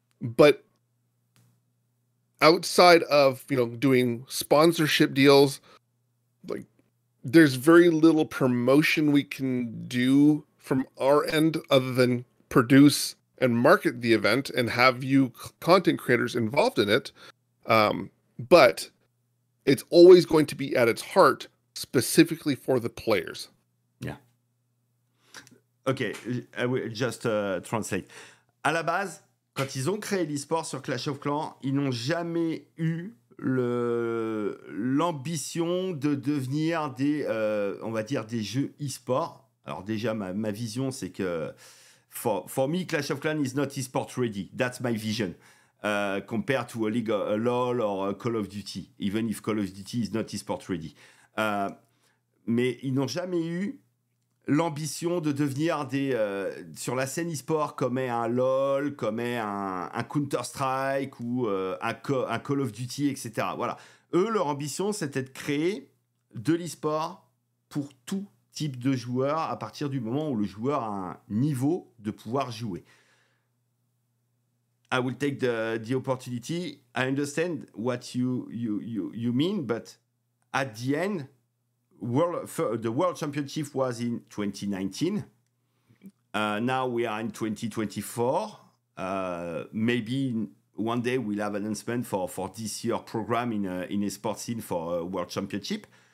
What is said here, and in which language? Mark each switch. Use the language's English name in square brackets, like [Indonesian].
[English] But outside of, you know, doing sponsorship deals, like there's very little promotion we can do from our end other than produce and market the event and have you content creators involved in it. But it's always going to be at its heart specifically for the players. Yeah. Okay, I will just translate. [French] À la base, quand ils ont créé l'esport sur Clash of Clans, ils n'ont jamais eu l'ambition de devenir des, on va dire, des jeux e-sport. Alors déjà, ma vision, c'est que [English] for me, Clash of Clans is not e-sport ready. That's my vision. Compared to a League of LoL or a Call of Duty, even if Call of Duty is not e-sport ready. [French] Mais ils n'ont jamais eu l'ambition de devenir des sur la scène e-sport comme est un LoL, comme est un Counter-Strike ou un Call of Duty, etc. Voilà. Eux, leur ambition, c'était de créer de l'e-sport pour tout type de joueur à partir du moment où le joueur a un niveau de pouvoir jouer. [English] I will take the opportunity. I understand what you mean, but at the end, the World Championship was in 2019. Now we are in 2024. Maybe one day we'll have an announcement for this year program in a sports scene for a World Championship.